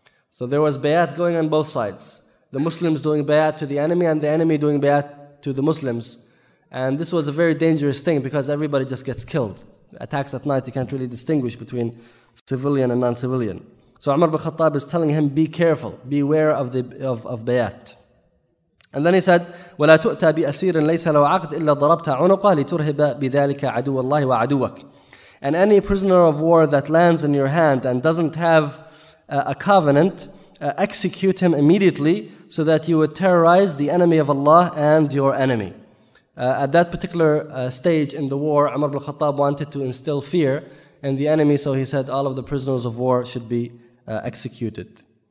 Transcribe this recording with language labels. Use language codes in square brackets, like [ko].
[en] So there was bayat going on both sides. The Muslims doing bayat to the enemy and the enemy doing bayat to the Muslims. And this was a very dangerous thing because everybody just gets killed. Attacks at night, you can't really distinguish between civilian and non-civilian. So Umar ibn Khattab is telling him, be careful, beware of bayat. And then he said, [ar] وَلَا تُؤْتَى بِأَسِيرٍ لَيْسَ لَوْ عَقْدٍ إِلَّا ضَرَبْتَ عُنُقَهُ لِتُرْهِبَ بِذَلِكَ عَدُوَ اللَّهِ وَعَدُوَكَ. [en] And any prisoner of war that lands in your hand and doesn't have a covenant, execute him immediately so that you would terrorize the enemy of Allah and your enemy. At that particular stage in the war, Umar ibn al-Khattab wanted to instill fear in the enemy, so he said all of the prisoners of war should be executed.